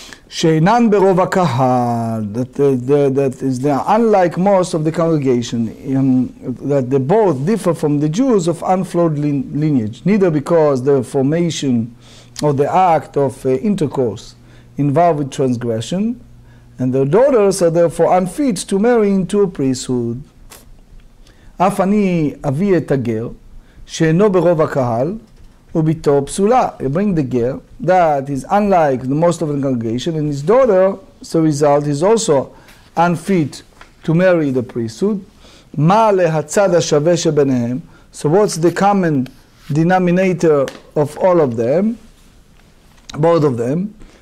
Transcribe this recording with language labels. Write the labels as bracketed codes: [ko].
[he] שאינן ברוב הקהל, [en] that is unlike most of the congregation, that they both differ from the Jews of unflawed lineage, neither because the formation or the act of intercourse involved with transgression, and their daughters are therefore unfit to marry into a priesthood. [he] אף אני אביא את הגר, שאינו ברוב הקהל, וביתו פסולה. [en] You bring the gear that is unlike the most of the congregation, and his daughter, as a result, is also unfit to marry the priesthood. [he] מה להצד השווה שביניהם? [en] So what's the common denominator of all of them, both of them?